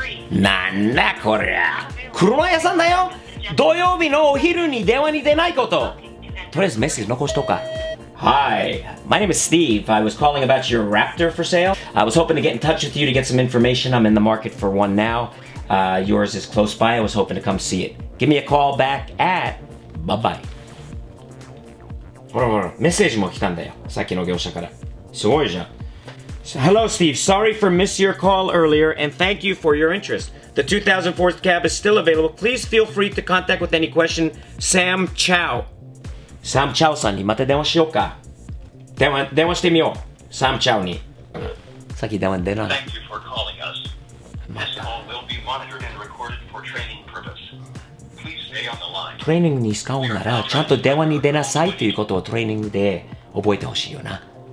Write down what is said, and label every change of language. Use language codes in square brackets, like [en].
[ja] なんだこりゃ、車屋さんだよ、土曜日のお昼に電話に出ないこと、とりあえずメッセージ残しとか。 [en] Hi, my name is Steve. I was calling about your Raptor for sale. I was hoping to get in touch with you to get some information. I'm in the market for one now. Yours is close by. I was hoping to come see it. Give me a call back at... Bye bye. [ja] ほらほら、メッセージも来たんだよ、さっきの業者から。すごいじゃん。 [en] Hello, Steve. Sorry for missing your call earlier, and thank you for your interest. The 2004 cab is still available. Please feel free to contact with any question. [ja] Sam Chow. Sam Chow さんにまた電話しようか。電話してみよう。Sam Chow に。さっき電話出ない。 [en] Thank you for calling us. This call will be monitored and recorded for training purpose. Please stay on the line. [ja] トレーニングに使うなら、ちゃんと電話に出なさいということをトレーニングで覚えてほしいよな。